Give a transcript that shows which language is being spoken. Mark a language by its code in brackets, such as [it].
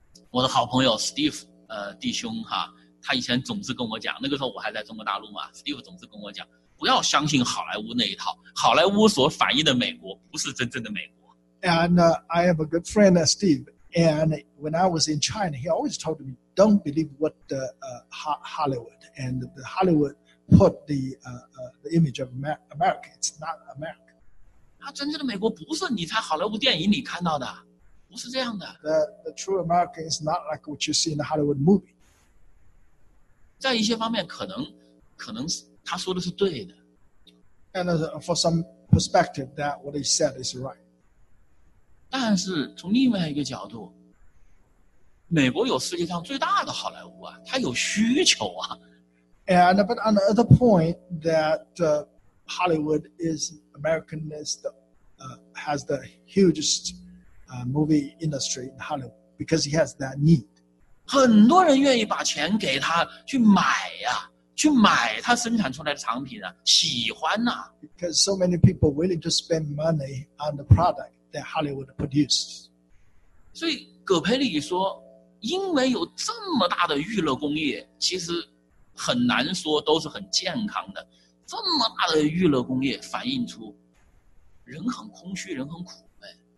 [zh] 我的好朋友 Steve, 弟兄哈。他以前总是跟我讲，那个时候我还在中国大陆嘛 ，Steve 总是跟我讲，不要相信好莱坞那一套，好莱坞所反映的美国不是真正的美国。 [en] And I have a good friend, Steve. And when I was in China, he always told me, "Don't believe what the Hollywood and the Hollywood put the image of America. It's not America." [zh] 他真正的美国不是你在好莱坞电影里看到的，不是这样的。 [en] The true America is not like what you see in the Hollywood movie. [zh] 在一些方面可能他说的是对的。 [en] And for some perspective, that what he said is right. [zh] 但是从另外一个角度，美国有世界上最大的好莱坞啊，它有需求啊。 [en] And but on the other point, that Hollywood is American is the has the hugest movie industry in Hollywood because he has that need. [zh] 很多人愿意把钱给他去买呀、啊，去买他生产出来的产品啊，喜欢呐、啊。 [en] Because so many people willing to spend money on the product that Hollywood produces. [zh] 所以葛培里说，因为有这么大的娱乐工业，其实很难说都是很健康的。这么大的娱乐工业反映出人很空虚，人很苦闷。